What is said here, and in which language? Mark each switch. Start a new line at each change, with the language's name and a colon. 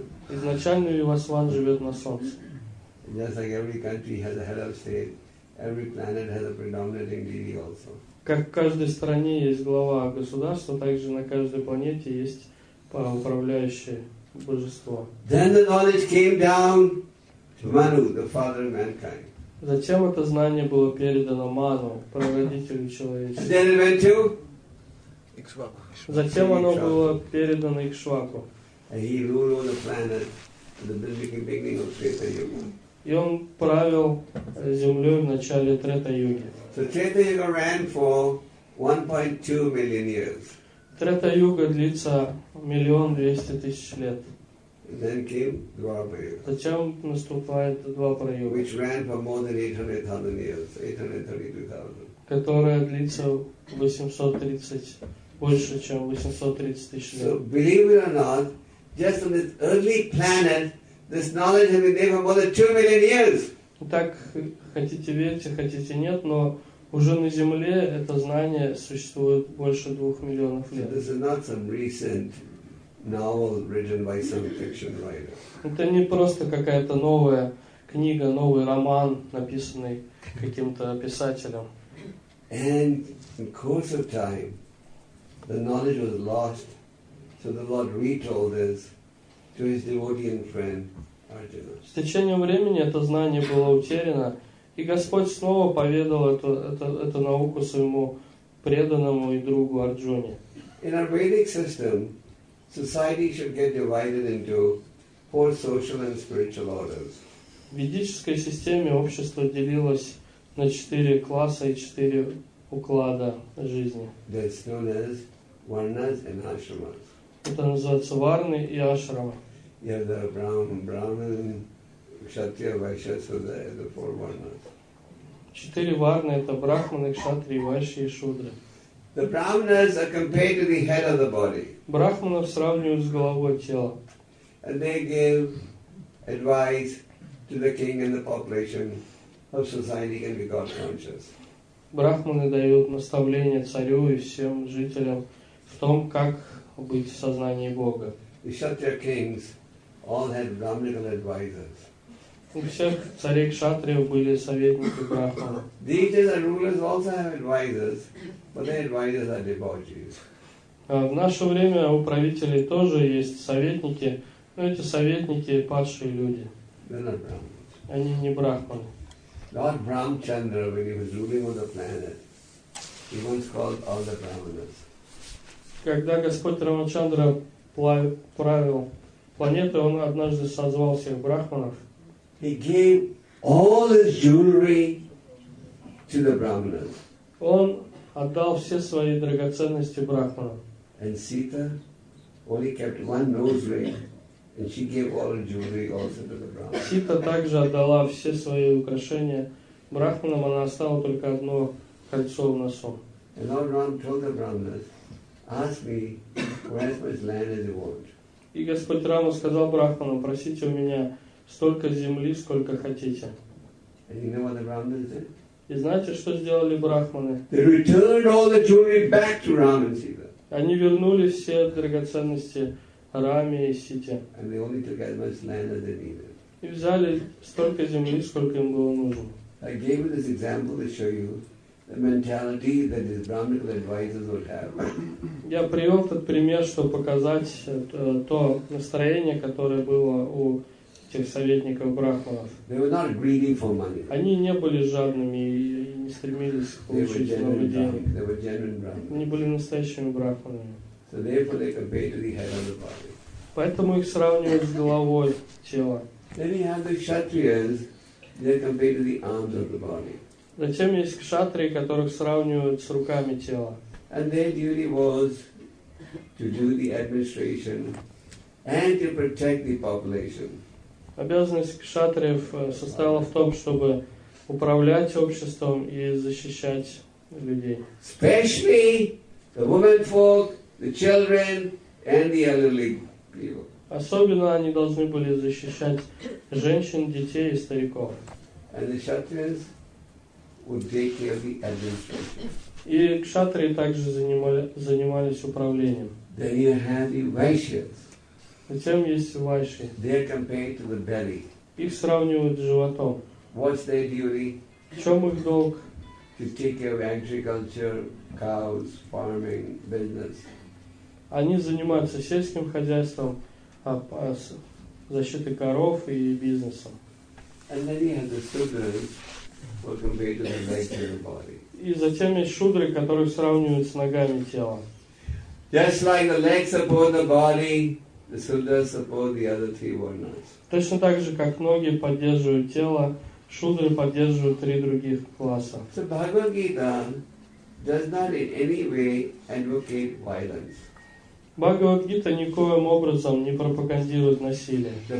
Russian: Изначально Вивасван живет на Солнце.
English: Just like every country has a head of state, every planet has a predominating deity also.
Russian: Как в каждой стране есть глава государства, также на каждой планете есть управляющий. Божество.
English: Then the knowledge came down to Manu, the father of mankind.
Russian: Затем это знание было передано Ману, прародителю человечества.
English: Then it went to Ikshvaku.
Russian: Затем оно было передано Ikshvaku.
English: And he ruled on the planet at the beginning of Treta Yuga.
Russian: И он правил землей в начале Трета Юги.
English: So Treta Yuga ran for 1.2 million years.
Russian: Трета Юга длится 1,200,000 лет.
English: Then came Dwapara Yuga.
Russian: Затем наступает Двапара Юга.
English: Which ran for more than 800,000 years, 832,000.
Russian: Которая длится 830, больше, чем 830,000 лет.
English: So believe it or not, just on this early planet, this knowledge has been there for more than 2 million years.
Russian: Так, хотите верьте, хотите нет, но уже на Земле это знание существует больше 2 миллионов лет.
English: This is not some recent novel written by some fiction writer.
Russian: Это не просто какая-то новая книга, новый роман, написанный каким-то писателем.
English: And in course of time, the knowledge was lost, so the Lord retold this to his devotee and friend Arjuna.
Russian: С течением времени это знание было утеряно. И Господь снова поведал эту науку своему преданному и другу Арджуне.
English: In our Vedic system, society should get divided into four social and spiritual orders.
Russian: В ведической системе общество делилось на 4 класса и 4 уклада жизни.
English: That's known as varnas and ashramas.
Russian: Это называется варны и ашрамы.
English: You have the brahmin,
Russian: кшатрия, вайшасуда, это
English: four varnas.
Russian: Четыре варны — это брахманы, кшатрии, вайши и шудры.
English: The brahmanas are compared to the head of the body.
Russian: Брахманов сравнивают с головой тела.
English: And they give advice to the king and the population of society can be God conscious.
Russian: Брахманы дают наставление царю и всем жителям в том, как быть в сознании Бога.
English: The kshatriya kings all had brahmanical advisors.
Russian: У всех царей кшатриев были советники брахманы.
English: These are rulers also have advisors, but their advisors are devotees.
Russian: В наше время у правителей тоже есть советники, но эти советники падшие люди.
English: They're not brahmins.
Russian: Они не брахманы.
English: Lord Brahmachandra, when he was ruling on the planet, he once called all the brahmanas.
Russian: Когда Господь Рамачандра правил планетой, он однажды созвал всех брахманов.
English: He gave all his jewelry to the brahmanas.
Russian: Он отдал все свои драгоценности брахманам.
English: And Sita only kept one nose ring. And she gave all her jewelry also to the brahmanas.
Russian: Сита также отдала все свои украшения брахманам, она оставила только одно кольцо в носу.
English: And Lord Ram told the brahmanas, ask me for as much land as you want.
Russian: И Господь Рама сказал брахманам, просите у меня столько земли, сколько хотите.
English: And you know what the brahmanas did?
Russian: И знаете, что сделали брахманы?
English: They returned all the jewelry back to Ram and Sita.
Russian: Они вернули все драгоценности Раме и Сите.
English: And they only took as much land as they needed.
Russian: И взяли столько земли, сколько им было нужно.
English: I gave this example to show you the mentality that these brahmanical advisors would have.
Russian: Я привел этот пример, чтобы показать то настроение, которое было у этих советников брахманов.
English: They were not greedy for money.
Russian: Они не были жадными и не стремились получить много денег.
English: They were genuine brahmanas.
Russian: Они были настоящими брахманами.
English: So therefore they compare to the head of the body.
Russian: Поэтому их сравнивают с головой тела.
English: Then you have the kshatriyas, they're compared to the arms of the body.
Russian: Затем есть кшатрии, которых сравнивают с руками тела.
English: And their duty was to do the administration and to protect the population.
Russian: Обязанность кшатриев состояла в том, чтобы управлять обществом и защищать людей.
English: Especially the women folk, the children and the elderly people.
Russian: Особенно они должны были защищать женщин, детей и стариков.
English: And the kshatriyas would take care of the administration.
Russian: И кшатрии также занимались управлением.
English: Then you have the vaishyas.
Russian: Затем есть вайши.
English: They are compared to the belly.
Russian: Их сравнивают с животом.
English: What's their duty?
Russian: В чем их долг?
English: To take care of agriculture, cows, farming, business.
Russian: Они занимаются сельским хозяйством, защитой коров и бизнесом.
English: And then you have the sudras, who are compared to the legs of the body.
Russian: И затем есть шудры, которые сравнивают с ногами тела.
English: Just like the legs support the body, the sudras support the other three varnas.
Russian: Точно так же, как ноги поддерживают тело, шудры поддерживают три других класса.
English: So Bhagavad Gita does not in any way advocate violence.
Russian: Бхагавад-гита никоим образом не пропагандирует насилие.